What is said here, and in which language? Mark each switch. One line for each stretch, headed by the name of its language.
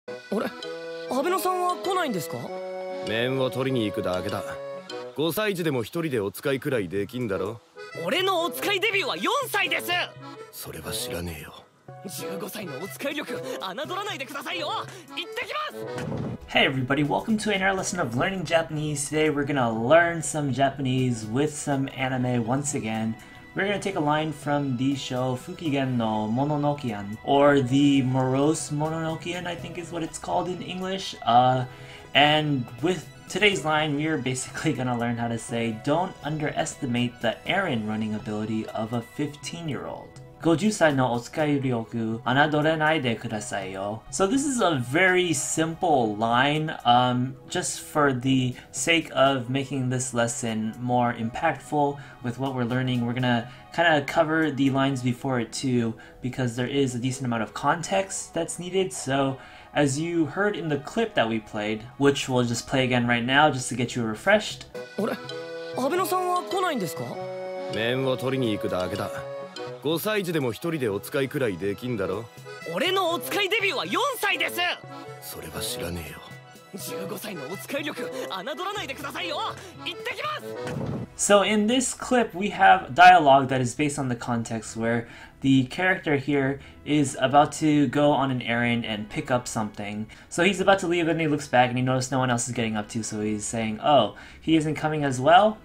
Japanese: あれ、安倍さんは来ないんですか？面を取りに行くだけだ。五歳児でも一人でお使いくらいできんだろ。俺のお使いデビューは四歳です。それは知らねえよ。 15歳のお使い力、侮らないでくださいよ。行ってきます。
English: Hey everybody, welcome to another lesson of learning Japanese. Today we're gonna learn some Japanese with some anime once again. We're gonna take a line from the show Fukigen no Mononokean, or the Morose Mononokean, I think is what it's called in English. And with today's line, we're basically gonna learn how to say, don't underestimate the errand-running ability of a 15-year-old.
Japanese: 50歳のお使い力、侮らないでくださいよ。
English: So this is a very simple line, just for the sake of making this lesson more impactful with what we're learning. We're gonna kind of cover the lines before it too, because there is a decent amount of context that's needed. So as you heard in the clip that we played, which we'll just play again right now just to get you refreshed.
Japanese: あれ、安倍さんは来ないんですか？面を取りに行くだけだ。5歳児でも一人でお使いくらいできんだろ。俺のお使いデビューは4歳です。それは知らねえよ。 15歳のお使い力、侮らないでくださいよ。行ってきます。
English: So in this clip we have dialogue that is based on the context where the character here is about to go on an errand and pick up something. So he's about to leave and he looks back and he notices no one else is getting up too, so he's saying, oh, he isn't coming as well.